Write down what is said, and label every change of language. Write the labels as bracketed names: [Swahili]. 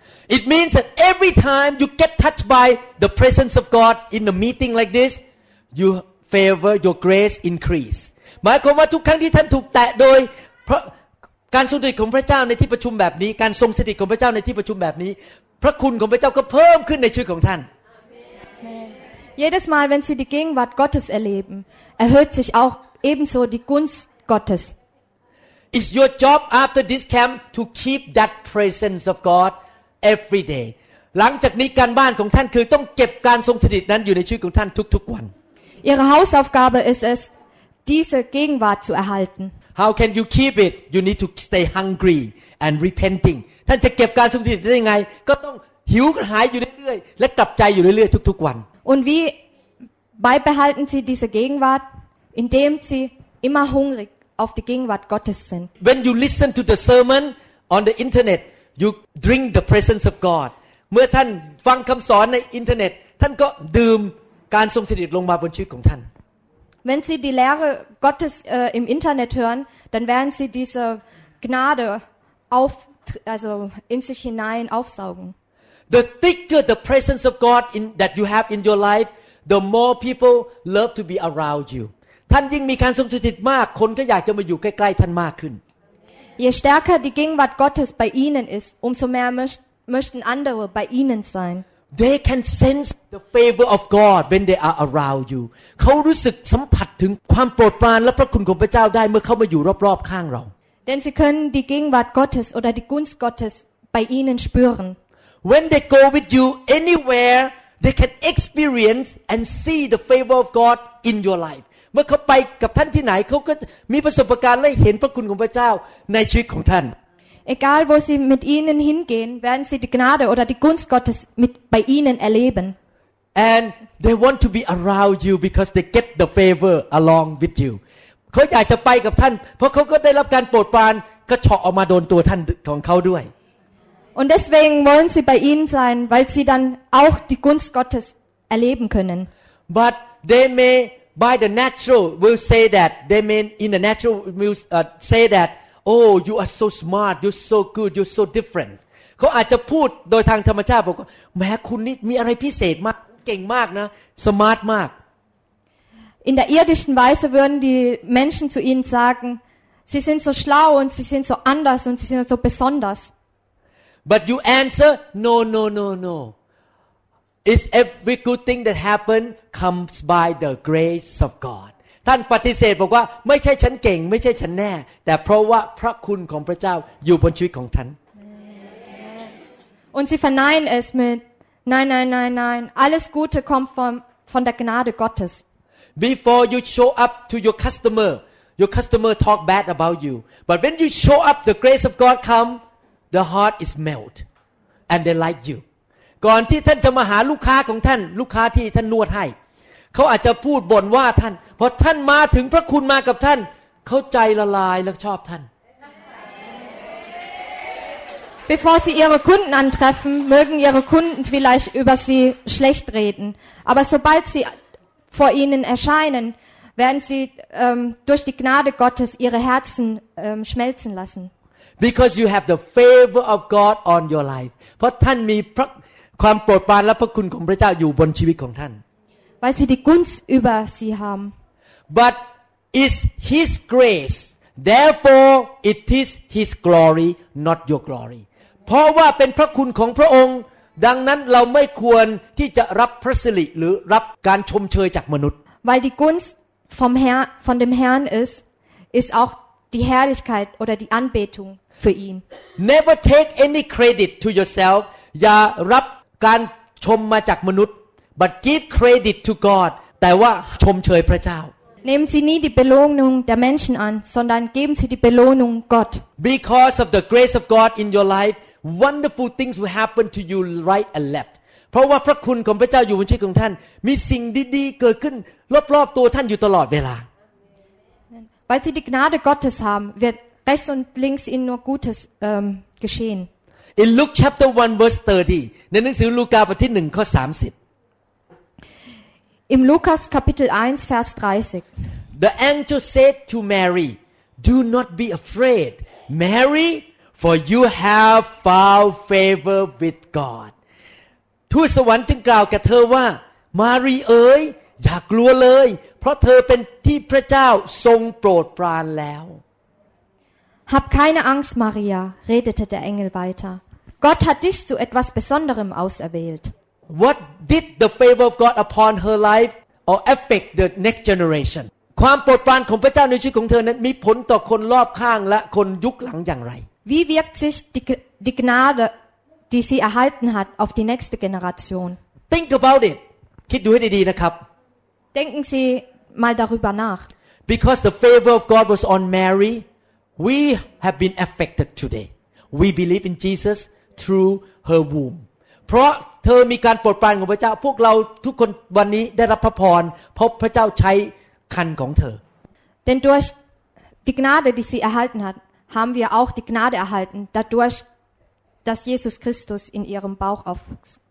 [English] It means that every time you get touched by the presence of God in a meeting like this, your favor, your grace increase. [Thai] หมายความว่าทุกครั้งที่ท่านถูกแตะโดยการทรงสถิตของพระเจ้าในที่ประชุมแบบนี้การทรงสถิตของพระเจ้าในที่ประชุมแบบนี้พระคุณของพระเจ้าก็เพิ่มขึ้นในชีวิตของท่าน [German] Jedes Mal, wenn Sie die Gegenwart Gottes erleben, erhöht sich auch ebenso die Gunst Gottes [English] It's your job after this camp to keep that presence of God every day. [Thai] หลังจากนี้การบ้านของท่านคือต้องเก็บการทรงสถิตนั้นอยู่ในชีวิตของท่านทุกๆวัน [German] Ihre Hausaufgabe ist es, diese Gegenwart zu erhalten. [English] How can you keep it? You need to stay hungry and repenting. [Thai] ท่านจะเก็บการทรงสถิตได้ยังไงก็ต้องหิวกระหายอยู่เรื่อยๆและกลับใจอยู่เรื่อยๆทุกๆวัน [German] Und wie beibehalten Sie diese Gegenwart, indem Sie immer hungrigOf the Gegenwart Gottes sind. [English] When you listen to the sermon on the internet, you drink the presence of God. [Thai] เมื่อท่านฟังคำสอนในอินเทอร์เน็ตท่านก็ดื่มการทรงสถิตลงมาบนชีวิตของท่าน [German] Wenn Sie die Lehre Gottes im Internet hören, dann werden Sie diese Gnade auf, also in sich hinein aufsaugen. [English] The thicker the presence of God in, that you have in your life, the more people love to be around you. [Thai] ท่านยิ่งมีการทรงสถิตมากคนก็อยากจะมาอยู่ใกล้ๆท่านมากขึ้น [German] Je stärker die Gegenwart Gottes bei ihnen ist, umso mehr möchten andere bei ihnen sein. [English] They can sense the favor of God when they are around you. [Thai] เขารู้สึกสัมผัสถึงความโปรดปรานและพระคุณของพระเจ้าได้เมื่อเข้ามาอยู่รอบๆข้างเรา [German] Denn sie können die Gegenwart Gottes oder die Gunst Gottes bei ihnen spüren. [English] When they go with you anywhere, they can experience and see the favor of God in your life. [Thai] เมื่อเขาไปกับท่านที่ไหนเขาก็มีประสบการณ์และเห็นพระคุณของพระเจ้าในชีวิตของท่าน [German] Egal wo sie mit ihnen hingehen werden sie die Gnade oder die Gunst Gottes mit bei ihnen erleben [English] And they want to be around you because they get the favor along with you [Thai] เขาอยากจะไปกับท่านเพราะเขาก็ได้รับการโปรดปรานก็เฉาะออกมาโดนตัวท่านของเขาด้วย [German] Und deswegen wollen sie bei ihnen sein weil sie dann auch die Gunst Gottes erleben können [English] butBy the natural, will say that they mean in the natural will say that, oh, you are so smart, you're so good, you're so different. [Thai] เขาอาจจะพูดโดยทางธรรมชาติบอกว่าแม้คุณนี่มีอะไรพิเศษมากเก่งมากนะสมาร์ทมาก [German] In der irdischen Weise würden die Menschen zu ihnen sagen, sie sind so schlau und sie sind so anders und sie sind so besonders. [English] But you answer, no, no, no, no. It's every good thing that happened comes by the grace of God. [Thai] ท่านปฏิเสธบอกว่าไม่ใช่ฉันเก่งไม่ใช่ฉันแน่แต่เพราะว่าพระคุณของพระเจ้าอยู่บนชีวิตของท่าน [German] Und sie verneinen es mit Nein, nein, nein, nein. Alles Gute kommt von der Gnade Gottes. [English] Before you show up to your customer talk bad about you. But when you show up, the grace of God come, the heart is melt, and they like you. [Thai] ก่อนที่ท่านจะมาหาลูกค้าของท่านลูกค้าที่ท่านนวดให้เขาอาจจะพูดบ่นว่าท่านพอท่านมาถึงพระคุณมากับท่านเขาใจละลายและชอบท่าน [German] Bevor sie ihre Kunden antreffen mögen ihre Kunden vielleicht über sie schlecht reden aber sobald sie vor ihnen erscheinen werden sie durch die Gnade Gottes ihre Herzen schmelzen lassen [English] Because you have the favor of God on your life [Thai] เพราะท่านมีพระความโปรดปรานและพระคุณของพระเจ้าอยู่บนชีวิตของท่าน [German] Weil sie die Gunst über sie haben. [English] But it's his grace. Therefore it is his glory, not your glory. [Thai] เพราะว่าเป็นพระคุณของพระองค์ดังนั้นเราไม่ควรที่จะรับพระสิริหรือรับการชมเชยจากมนุษย์ [German] Weil die Gunst von dem Herrn ist auch die Herrlichkeit oder die Anbetung für ihn. [English] Never take any credit to yourself [Thai] อย่ารับการชมมาจากมนุษย์ [English] but give credit to God [Thai] แต่ว่าชมเชยพระเจ้า [German] Nehmen Sie nie die Belohnung der Menschen an sondern geben Sie die Belohnung Gott [English] Because of the grace of God in your life wonderful things will happen to you right and left [Thai] เพราะว่าพระคุณของพระเจ้าอยู่บนชีวิตของท่านมีสิ่งดีๆเกิดขึ้นรอบๆตัวท่านอยู่ตลอดเวลา [German] Weil Sie die Gnade Gottes haben wird rechts und links Ihnen nur Gutes geschehen [English] In Luke chapter 1 verse 30 [Thai] ในหนังสือลูกาบทที่1ข้อ30 [English] In Lucas chapter 1 verse 30 The angel said to Mary Do not be afraid Mary for you have found favor with God [Thai] ทูตสวรรค์จึงกล่าวกับเธอว่ามารีเอ๋ยอย่ากลัวเลยเพราะเธอเป็นที่พระเจ้าทรงโปรดปรานแล้ว [German] Hab keine Angst, Maria, redete der Engel weiter. Gott hat dich zu etwas Besonderem auserwählt. [English] What did the favor of God upon her life or affect the next generation? [Thai] ความโปรดปรานของพระเจ้าในชีวิตของเธอนั้นมีผลต่อคนรอบข้างและคนยุคหลังอย่างไร [German] Wie wirkt sich die Gnade, die sie erhalten hat, auf die nächste Generation? [English] Think about it. [Thai] คิดดูให้ดีๆนะครับ [German] Denken Sie mal darüber nach. [English] Because the favor of God was on Mary. We have been affected today. We believe in Jesus through her womb. [Thai] เพราะเธอมีการโปรดปรานของพระเจ้าพวกเราทุกคนวันนี้ได้รับพระพรเพราะพระเจ้าใช้ครรภ์ของเธอ [German] Denn durch die Gnade, die sie erhalten hat, haben wir auch die Gnade erhalten, dadurch, dass Jesus Christus in ihrem Bauch aufwuchs.